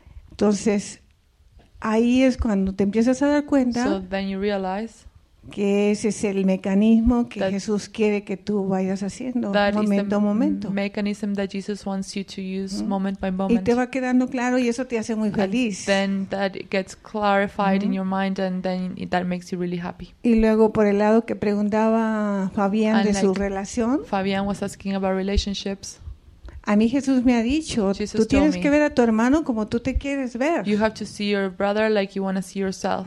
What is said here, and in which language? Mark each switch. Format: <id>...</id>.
<es>Entonces ahí es cuando te empiezas a dar cuenta.</es> <en>So then you realize</en> <es>que ese es el mecanismo que Jesús quiere que tú vayas haciendo momento a momento.</es> <en>That is the mechanism that Jesus wants you to use moment by moment.</en> <es>Y te va quedando claro y eso te hace muy feliz.</es> <en>And then that gets clarified in your mind and then that makes you really happy.</en> <es>Y luego por el lado que preguntaba Fabián de su relación.</es> <en>Fabián was asking about relationships.</en> <es>A mí Jesús me ha dicho,</es> <en>Jesus</en> <es>tú tienes</es> <en>me,</en> <es>que ver a tu hermano como tú te quieres ver.</es> <en>You have to see your brother like you want to see yourself.</en>